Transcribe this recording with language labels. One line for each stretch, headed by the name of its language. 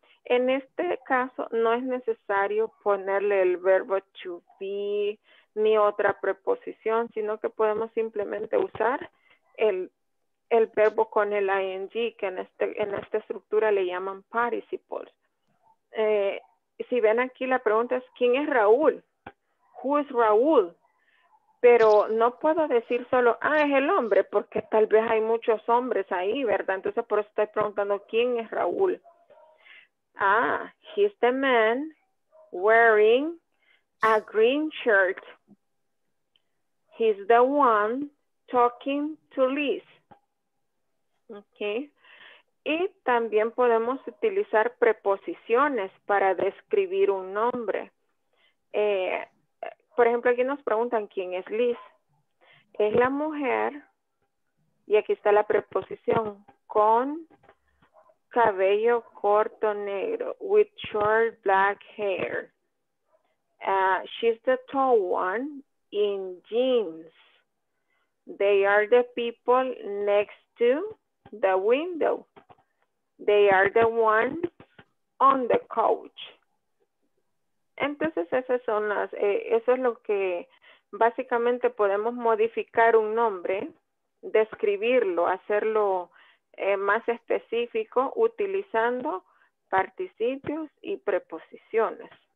Spanish: En este caso, no es necesario ponerle el verbo to be ni otra preposición, sino que podemos simplemente usar el verbo con el ing, que en esta estructura le llaman participles. Si ven aquí, la pregunta es, ¿quién es Raúl?
English: Who is Raúl?
Spanish: Pero no puedo decir solo, ah, es el hombre, porque tal vez hay muchos hombres ahí, ¿verdad? Entonces, por eso estoy preguntando, ¿quién es Raúl?
English: Ah, he's the man wearing a green shirt. He's the one talking to Liz.
Spanish: Okay. Y también podemos utilizar preposiciones para describir un nombre. Por ejemplo, aquí nos preguntan, ¿quién es Liz? Es la mujer, y aquí está la preposición, con cabello corto negro,
English: with short black hair. She's the tall one in jeans. They are the people next to the window. They are the ones on the couch.
Spanish: Entonces, esas son las, eso es lo que básicamente podemos modificar un nombre, describirlo, hacerlo más específico utilizando participios y preposiciones.